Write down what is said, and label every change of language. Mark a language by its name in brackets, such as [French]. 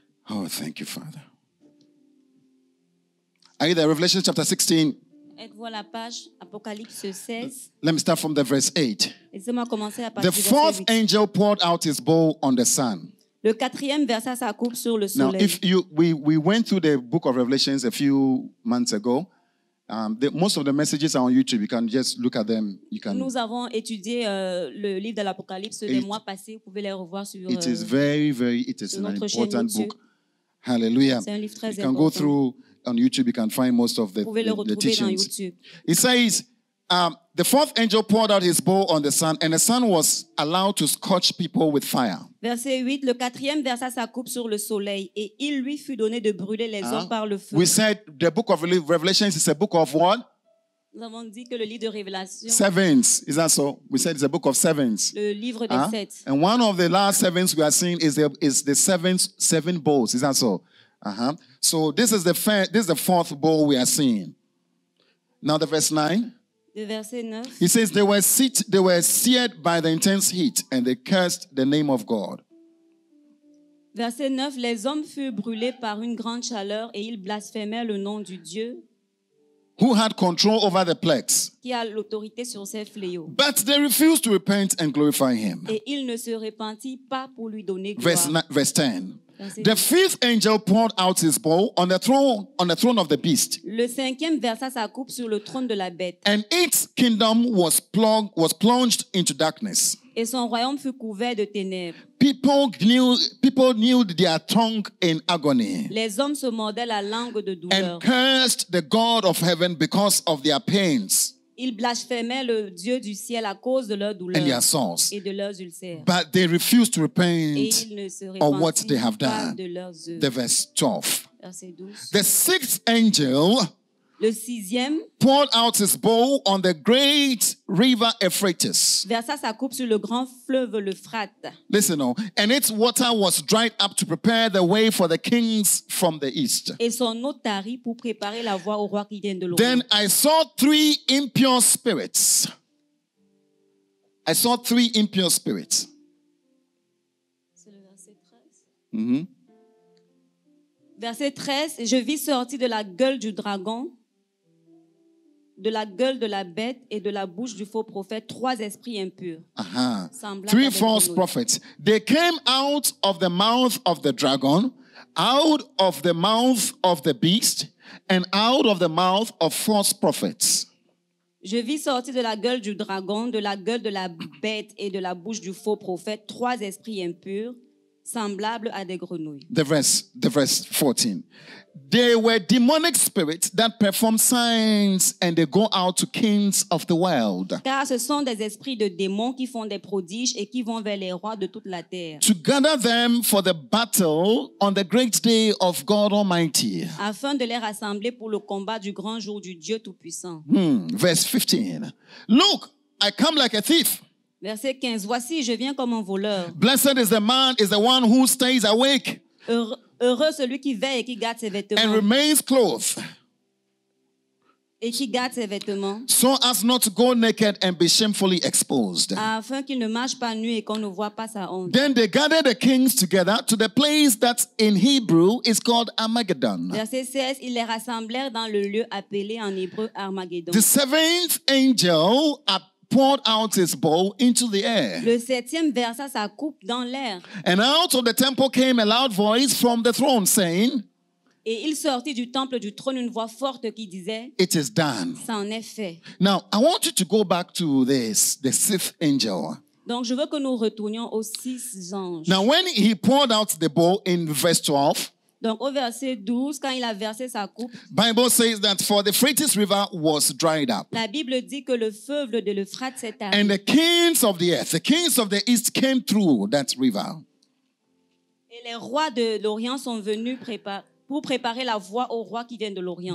[English] Oh, thank you, Father. Are you there? Revelation chapter 16. [French] avec vous à la page Apocalypse 16. [English] Let me start from the verse 8. [French] Laissez-moi commencer à partir [English] the fourth angel poured out his bowl on the sun. [French] Le quatrième versa sa coupe sur le soleil. [English] Now, if you we went through the book of Revelations a few months ago. Most of the messages are on YouTube. You can just look at them. You can. [French] Nous avons étudié le livre de l'Apocalypse des mois passés. Vous pouvez les revoir sur. [English] It is very, very. It is an important book. Hallelujah. [French] C'est un livre très [English] you [French] important. [English] Can go through on YouTube. You can find most of the teachings. [French] Vous pouvez le retrouver dans YouTube. [English] It says, "The fourth angel poured out his bowl on the sun, and the sun was allowed to scorch people with fire." [French] Verset 8, le quatrième versa sa coupe sur le soleil et il lui fut donné de brûler les hommes par le feu. [English] We said the book of Revelation is a book of what? [French] Nous avons dit que le livre de Révélation. [English] Sevens, is that so? We said it's a book of sevens. [French] Le livre des sept. [English] And one of the last sevens we are seeing is the seven bowls, is that so? Uh-huh. So this is the fourth bowl we are seeing. Now the verse 9. He says they were seared by the intense heat and they cursed the name of God. [French] Verset 9, les hommes furent brûlés par une grande chaleur et ils blasphémaient le nom du Dieu. [English] Who had control over the plagues? [French] Qui a l'autorité sur ces fléaux? [English] But they refused to repent and glorify him. [French] Et ils ne se repentirent pas pour lui donner gloire. [English] Verse 10. The fifth angel poured out his bowl on the throne of the beast. [French] Le cinquième versa sa coupe sur le trône de la bête. [English] And its kingdom was plunged into darkness. [French] Et son royaume fut couvert de ténèbres. [English] People knew their tongue in agony. [French] Les hommes se mordaient la langue de douleur. [English] And cursed the God of heaven because of their pains. [French] Ils blasphémaient le Dieu du ciel à cause de leur douleur et de leurs ulcères. [English] But they refused to repent of what they have done. The verse 12. The sixth angel [French] le sixième [English] poured out his bowl on the great river Euphrates. [French] Versa sa coupe sur le grand fleuve l'Euphrate. [English] Listen now. And its water was dried up to prepare the way for the kings from the east. [French] Et son eau tarie pour préparer la voie aux rois qui viennent de l'Orient. [English] Then I saw three impure spirits. I saw three impure spirits. [French] C'est le verset 13. Mm-hmm. Verset 13, je vis sortir de la gueule du dragon, de la gueule de la bête et de la bouche du faux prophète, trois esprits impurs. [English] Uh-huh. Three false prophets. They came out of the mouth of the dragon, out of the mouth of the beast, and out of the mouth of false prophets. [French] Je vis sortir de la gueule du dragon, de la gueule de la bête et de la bouche du faux prophète, trois esprits impurs. Semblable à des grenouilles. [English] The verse 14. They were demonic spirits that perform signs and they go out to kings of the world. [French] Car ce sont des esprits de démons qui font des prodiges et qui vont vers les rois de toute la terre. [English] To gather them for the battle on the great day of God Almighty. [French] Afin de les rassembler pour le combat du grand jour du Dieu Tout-Puissant. [English] Verse 15. Look, I come like a thief. [French] Verset 15, voici, je viens comme un voleur. [English] Blessed is the man, is the one who stays awake. [French] Heureux celui qui veille et qui garde ses vêtements. [English] And remains clothed. [French] Et qui garde ses vêtements. [English] So as not to go naked and be shamefully exposed. [French] Afin qu'il ne marche pas nu et qu'on ne voit pas sa honte. [English] Then they gathered the kings together to the place that in Hebrew is called Armageddon. [French] Verset 16, ils les rassemblèrent dans le lieu appelé en hébreu Armageddon. [English] The seventh angel poured out his bowl into the air. [French] Le septième versa sa coupe dans l'air. [English] And out of the temple came a loud voice from the throne saying, [French] et il sortit du temple du trône une voix forte qui disait, [English] it is done. [French] C'en est fait. [English] Now, I want you to go back to this, the sixth angel. [French] Donc, je veux que nous retournions aux six anges. [English] Now, when he poured out the bowl in verse 12, [French] donc au verset 12, quand il a versé sa coupe, [English] Bible says that for the Euphrates River was dried up. [French] La Bible dit que le fleuve de l'Euphrate s'est arrêté. [English] And the kings of the earth, the kings of the east came through that river. [French] Et les rois de l'Orient sont venus préparer la voie aux rois qui viennent de l'Orient.